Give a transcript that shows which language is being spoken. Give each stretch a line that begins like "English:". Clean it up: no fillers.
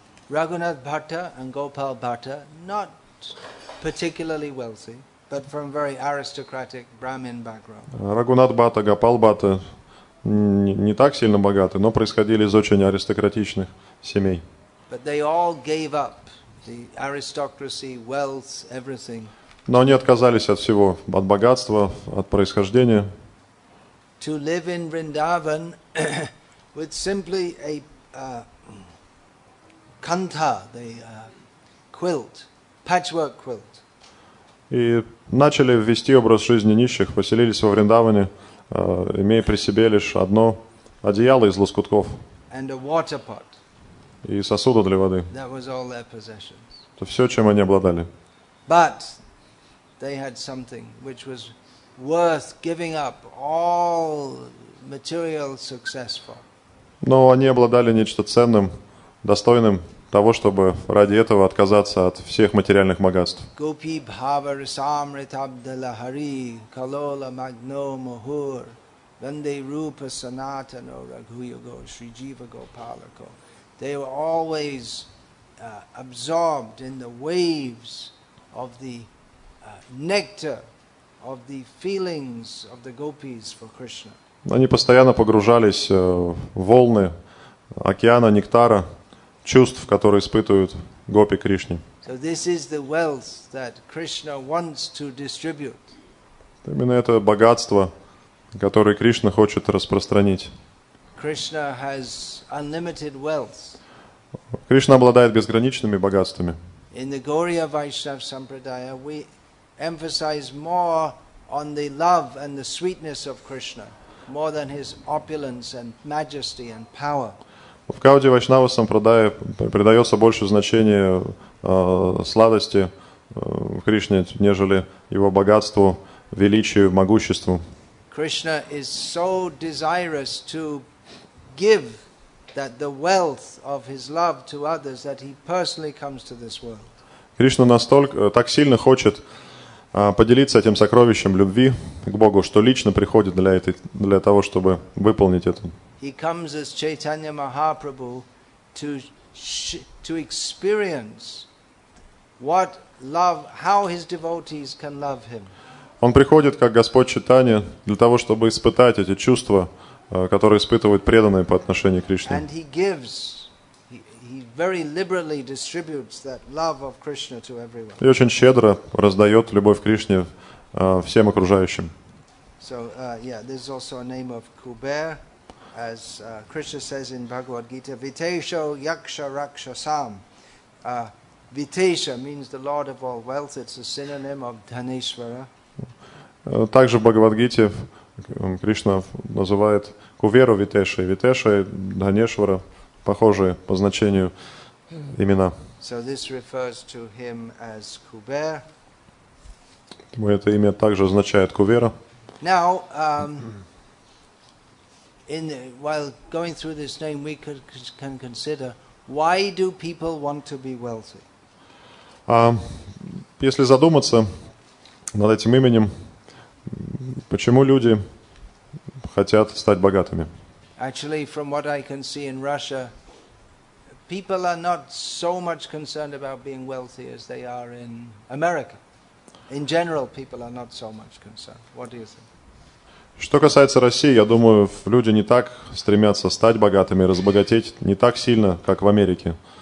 English: Raghunath Bhatta and Gopal Bhatta, not particularly wealthy, but from very aristocratic Brahmin background.
Russian: Raghunath Bhatta, Gopal Bhatta не так сильно богаты, но происходили из очень аристократичных семей.
English: But they all gave up the aristocracy, wealth, everything.
Russian: Но они отказались от всего, от богатства, от происхождения.
English: To live in Vrindavan with simply a kanta, the quilt, patchwork quilt.
Russian: И начали вести образ жизни нищих, поселились во Вриндаване, имея при себе лишь одно одеяло из лоскутков.
English: And a water pot.
Russian: И сосуды для воды.
English: That was all their possessions.
Russian: Это все, чем они обладали.
English: But they had something which was worth giving up all material success for.
Russian: Но они обладали нечто ценным, достойным того, чтобы ради этого отказаться от всех материальных богатств.
Sanskrit: Gopi bhava rasamrit abdalahari kalola magno mohur vande rupa sanatano raghuyogo shri jiva gopalako.
English: They were always absorbed in the waves of the nectar of the feelings of the gopis for Krishna.
Russian: Они постоянно погружались в волны океана нектара чувств, которые испытывают гопи Кришне.
English: So this is the wealth that Krishna wants to distribute.
Russian: Именно это богатство, которое Кришна хочет распространить.
English: Krishna has unlimited wealth.
Russian: Кришна обладает безграничными богатствами.
English: In the Gaudiya Vaishnava Sampradaya we emphasize more on the love and the sweetness of Krishna, more than his opulence and majesty and power.
Russian: В Гауди Вайшнава Сампрадае придается больше значения сладости Кришне, нежели его богатству, величию, могуществу.
English: Krishna is so desirous to give that the wealth of his love to others that he personally comes to this world.
Russian: Кришна настолько так сильно хочет поделиться этим сокровищем любви к Богу, что лично приходит для того, чтобы выполнить это.
English: He comes as Chaitanya Mahaprabhu to experience what love, how his devotees can love him.
Russian: Он приходит как Господь Чайтанья для того, чтобы испытать эти чувства, которые испытывают преданные по отношению к Кришне.
English: And he gives, he very liberally distributes that love of Krishna to everyone.
Russian: И очень щедро раздает любовь к Кришне всем окружающим.
English: So, this is also a name of Kuber. As Krishna says in Bhagavad Gita,
Sanskrit: Vitesho Yaksha Rakshasam,
English: Vitesha means the lord of all wealth. It's a synonym of Dhaneshwara.
Russian: Также в Бхагавадгите Кришна называет Куверу Витешей. Витеша и Дханешвара похожие по значению имена.
English: So this refers to him as Kuber.
Russian: Это имя также означает Кувера.
English: Now, while going through this name, we can consider why do people want to be wealthy?
Russian: Если задуматься над этим именем, почему люди хотят стать богатыми?
English: Actually, from what I can see in Russia, people are not so much concerned about being wealthy as they are in America. In general, people are not so much concerned. What do you think?
Russian: Что касается России, я думаю, люди не так стремятся стать богатыми, разбогатеть не так сильно, как в Америке.